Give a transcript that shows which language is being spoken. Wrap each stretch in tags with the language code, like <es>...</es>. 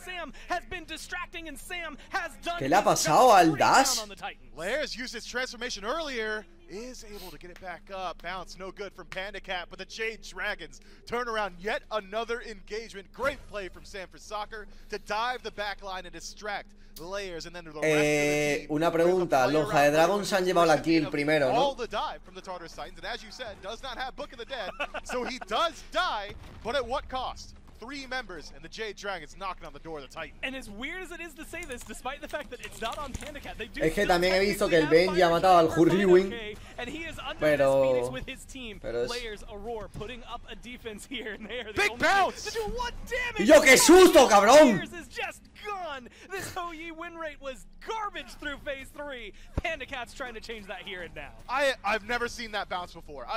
<en>Sam has been distracting, and Sam has done.</en> <es>¿Qué le ha pasado al Dash?</es> <en>Layers used his transformation earlier, is able to get it back up. Bounce no good from PandaCat, but the Jade Dragons turn around yet another engagement. Great play from Sanford Soccer to dive the back line and distract Layers and then the rest of the team.</en> <es>Una pregunta, los Hi-rez Dragons han llevado la kill primero, ¿no?</es> <en>All the dive from the Tartarus Titans, and as you said, does not have Book of the Dead, so he does die, but at what cost? Three members and the Jade Dragons knocking on the door of the Titan. And as weird as it is to say this, despite the fact that it's not on PandaCat, they do.</en> <es>Es que también he visto que el Ben ya ha matado al Hurrywing.</es> <en>And he is under this Phoenix with his team. Players Aurora putting up a defense here and there. Big bounce. To do what damage?</en> <es>Yo, qué susto, cabrón.</es> <en>Gone. This OE win rate was garbage through phase three. PandaCat's trying to change that here and now. I've never seen that bounce before.</en>